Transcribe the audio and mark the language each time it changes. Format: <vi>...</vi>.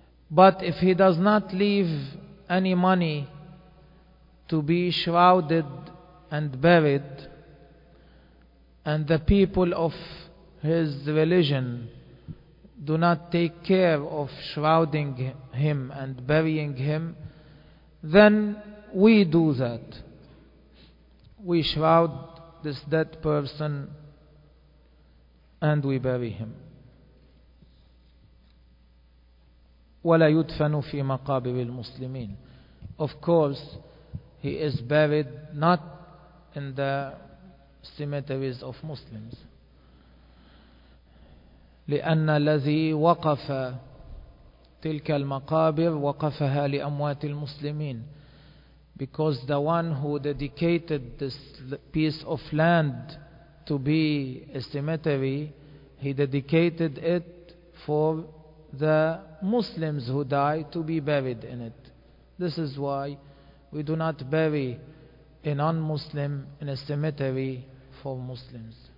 <en>But if he does not leave any money to be shrouded and buried, and the people of his religion do not take care of shrouding him and burying him, then we do that. We shroud this dead person and we bury him.</en> <ar>ولا يدفن في مقابر المسلمين.</ar> <en>Of course, he is buried not in the cemeteries of Muslims.</en> <ar>لأن الذي وقف تلك المقابر وقفها لأموات المسلمين.</ar> <en>Because the one who dedicated this piece of land to be a cemetery, he dedicated it for the Muslims who die to be buried in it. This is why we do not bury a non-Muslim in a cemetery for Muslims.</en>